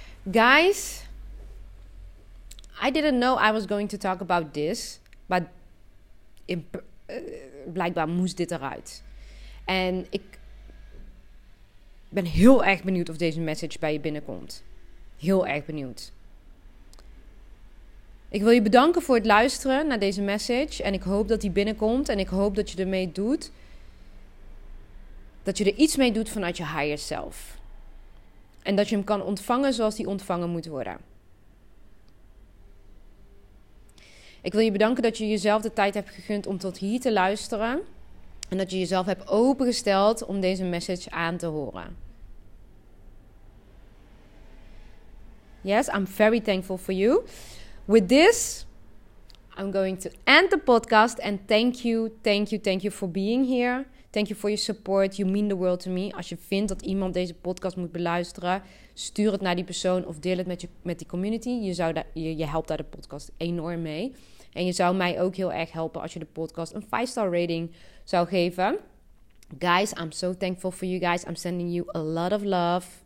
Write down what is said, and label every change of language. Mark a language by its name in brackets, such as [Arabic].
[English] Guys, I didn't know I was going to talk about this. [Dutch] But blijkbaar moest dit eruit. En ik ben heel erg benieuwd of deze message bij je binnenkomt. Heel erg benieuwd. Ik wil je bedanken voor het luisteren naar deze message. En ik hoop dat die binnenkomt. En ik hoop dat je ermee doet. Dat je er iets mee doet vanuit je higher self. En dat je hem kan ontvangen zoals die ontvangen moet worden. Ik wil je bedanken dat je jezelf de tijd hebt gegund om tot hier te luisteren. En dat je jezelf hebt opengesteld om deze message aan te horen. [English] Yes, I'm very thankful for you. With this, I'm going to end the podcast. And thank you for being here. Thank you for your support. You mean the world to me. [Dutch] Als je vindt dat iemand deze podcast moet beluisteren, stuur het naar die persoon of deel het met die community. Je helpt daar de podcast enorm mee. En je zou mij ook heel erg helpen als je de podcast een 5-star rating zou geven. [English] Guys, I'm so thankful for you guys. I'm sending you a lot of love.